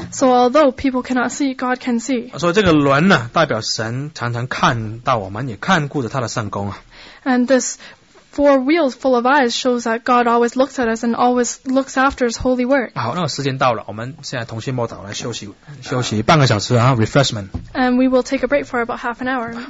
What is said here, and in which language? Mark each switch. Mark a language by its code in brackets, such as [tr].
[en] So although people cannot see, God can see. [zh] 所以这个轮呢、啊，代表神常常看到我们，也看顾着他的圣工啊。 [en] And this four wheels full of eyes shows that God always looks at us and always looks after His holy work. [zh] 好，那时间到了，我们现在同心默祷来休息半个小时啊 ，refreshment. [en] And we will take a break for about half an hour.